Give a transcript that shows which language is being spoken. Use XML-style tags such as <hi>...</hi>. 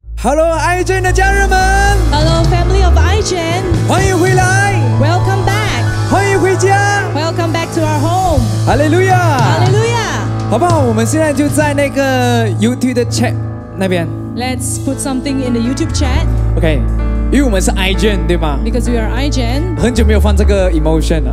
<zh>Hello, IGN 的家人们。</zh> <en>Hello, family of IGN.</en> <zh>欢迎回来。</zh> <en>Welcome back.</en> <zh>欢迎回家。</zh> <en>Welcome back to our home. Hallelujah. Hallelujah.</en> <zh>好不好？我们现在就在那个 YouTube 的 chat 那边。</zh> <en>Let's put something in the YouTube chat. Okay.</en> <zh>因为我们是 iGen 对吗</zh> <en>？Because we are iGen。</en> <zh>很久没有放这个 emotion 了。</zh>